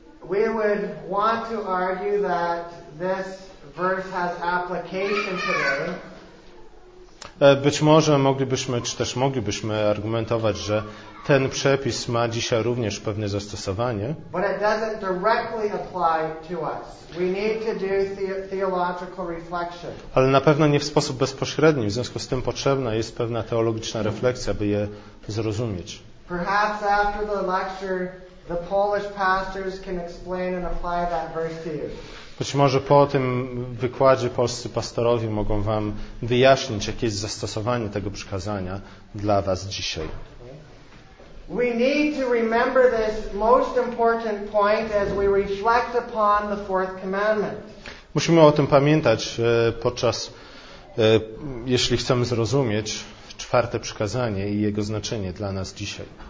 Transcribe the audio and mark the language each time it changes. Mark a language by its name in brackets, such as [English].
[English] We would want to argue that this verse has application today. [Polish] Być może moglibyśmy, czy też moglibyśmy argumentować, że ten przepis ma dzisiaj również pewne zastosowanie. [English] But it doesn't directly apply to us. We need to do theological reflection. [Polish] Ale na pewno nie w sposób bezpośredni. W związku z tym potrzebna jest pewna teologiczna refleksja, by je zrozumieć. [English] Perhaps after the lecture, the Polish pastors can explain and apply that verse to you. [Polish] Być może po tym wykładzie polscy pastorowie mogą wam wyjaśnić, jakie jest zastosowanie tego przykazania dla was dzisiaj. [English] We need to remember this most important point as we reflect upon the fourth commandment. [Polish] Musimy o tym pamiętać podczas jeśli chcemy zrozumieć czwarte przykazanie i jego znaczenie dla nas dzisiaj.